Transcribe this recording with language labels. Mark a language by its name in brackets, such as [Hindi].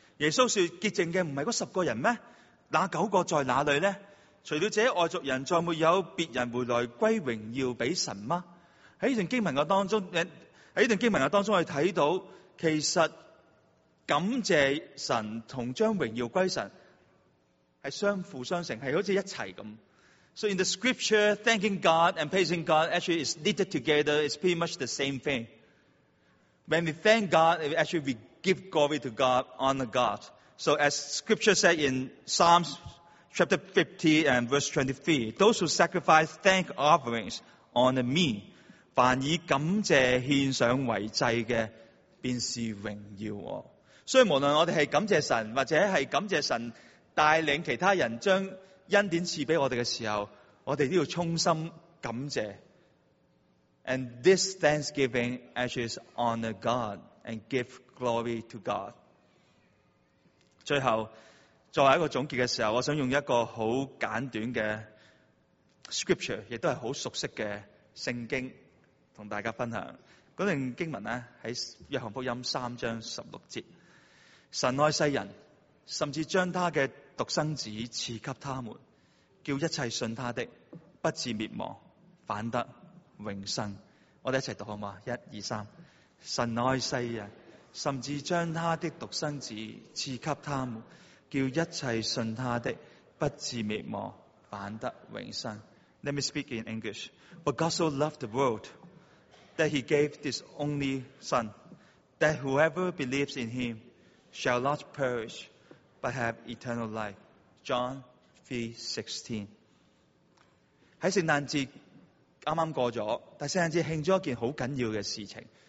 [Chinese] 耶稣说洁净的不是那十个人吗那九个在哪里呢除了这外族人再没有别人回来归荣耀给神吗在这段经文的当中我们看到其实感谢神和将荣耀归神是相辅相成是好像一起的。 [English] So in the scripture, thanking God and praising God actually is knitted together, it's pretty much the same thing. When we thank God, actually we give glory to God, honor God. So as scripture said in Psalms chapter 50 and verse 23, those who sacrifice thank offerings honor me, [Chinese] 凡以感谢献上为祭的便是荣耀我。所以无论我们是感谢神或者是感谢神带领其他人将恩典赐给我们的时候我们都要衷心感谢。 [English] And this thanksgiving actually honor God and give glory to God. [Chinese] 最后作为一个总结的时候我想用一个很简短的 scripture, 也都是很熟悉的圣经跟大家分享。那段经文呢在约翰福音三章十六节。神爱世人甚至将他的独生子赐给他们叫一切信他的不至灭亡反得永生。我们一起读好吗一二三。神爱世人甚至将他的独生子赐给他们叫一切信他的不至灭亡反得永生。 [English] Let me speak in English. But God so loved the world that he gave his only son that whoever believes in him shall not perish but have eternal life. John 3:16. [Chinese] 在圣诞节刚刚过了但圣诞节庆祝一件很重要的事情。